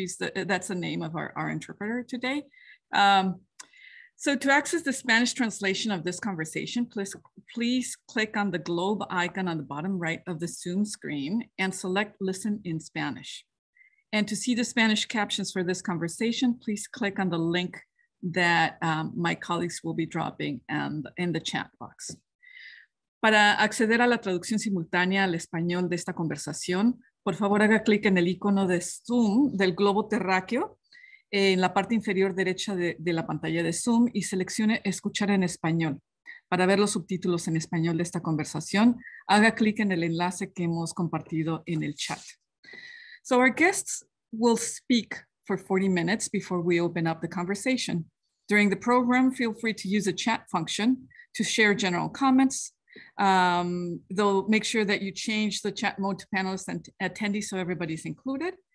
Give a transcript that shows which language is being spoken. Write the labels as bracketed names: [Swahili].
[English] That's the name of our interpreter today. So to access the Spanish translation of this conversation, please click on the globe icon on the bottom right of the Zoom screen and select Listen in Spanish. And to see the Spanish captions for this conversation, please click on the link that my colleagues will be dropping in the chat box. [Spanish] Para acceder a la traducción simultánea al español de esta conversación, por favor haga clic en el icono de Zoom del globo terráqueo en la parte inferior derecha de la pantalla de Zoom y seleccione Escuchar en español. Para ver los subtítulos en español de esta conversación, haga clic en el enlace que hemos compartido en el chat. [English] So our guests will speak for 40 minutes before we open up the conversation. During the program, feel free to use the chat function to share general comments. They'll make sure that you change the chat mode to panelists and attendees so everybody's included.